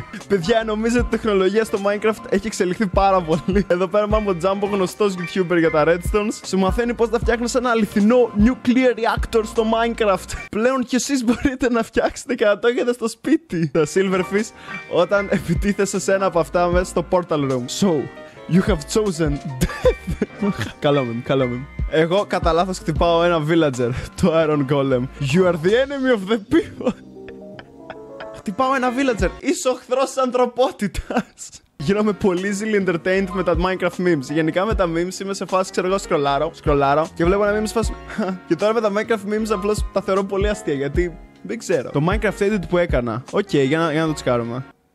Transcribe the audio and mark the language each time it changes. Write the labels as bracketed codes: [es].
[el] Παιδιά, νομίζω ότι η τεχνολογία στο Minecraft έχει εξελιχθεί πάρα πολύ. Εδώ πέρα μάμπο Τζάμπο, γνωστός YouTuber για τα Redstones, σου μαθαίνει πως να φτιάχνεις ένα αληθινό nuclear reactor στο Minecraft. Πλέον κι εσείς μπορείτε να φτιάξετε και να το έχετε στο σπίτι. Τα Silverfish, όταν επιτίθεσαι σε ένα από αυτά μέσα στο Portal Room. [en] So, you have chosen death. [el] Καλό μιμ, καλό μιμ. Εγώ κατά λάθος χτυπάω ένα villager, το Iron Golem. [en] You are the enemy of the people. [el] Χτυπάω ένα villager. Είσαι ο εχθρός της ανθρωπότητας. Γίνομαι πολύ [en] easily entertained [el] με τα Minecraft memes. Γενικά με τα memes είμαι σε φάση, ξέρω εγώ, σκρολάρω και βλέπω ένα meme σε φάση. Και τώρα με τα Minecraft memes απλώς τα θεωρώ πολύ αστεία γιατί δεν ξέρω. Το Minecraft edit που έκανα. Οκ, okay, για να το τσκάρουμε.